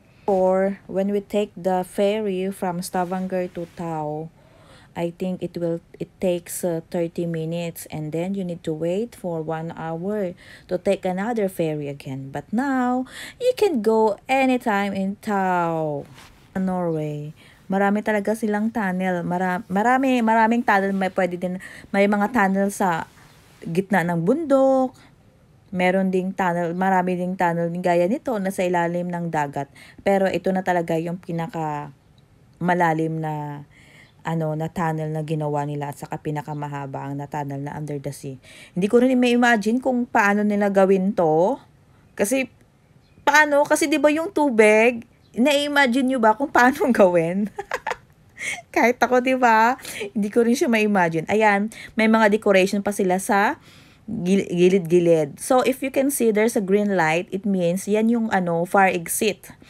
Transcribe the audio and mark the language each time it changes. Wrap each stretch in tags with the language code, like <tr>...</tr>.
<en>Or when we take the ferry from Stavanger to Tau, I think it takes 30 minutes, and then you need to wait for 1 hour to take another ferry again. But now you can go anytime in Tau, Norway.</en> <tl>Marami talaga silang tunnel. Maraming tunnel. May pwede din, may mga tunnel sa gitna ng bundok. Meron ding tunnel, marami ding tunnel gaya nito na sa ilalim ng dagat. Pero ito na talaga yung pinaka malalim na ano na tunnel na ginawa nila, at saka pinakamahaba ang na tunnel na</tl> <en>under the sea.</en> <tl>Hindi ko rin imagine kung paano nila gawin to. Kasi paano? Kasi 'di ba yung tubig, na-imagine niyo ba kung paano gawin? Kahit ako 'di ba, hindi ko rin siya ma-imagine. Ayan, may mga decoration pa sila sa gilid-gilid.</tl> <en>So, if you can see, there's a green light, it means</en> <tl>yan yung ano,</tl> <en>fire exit.</en>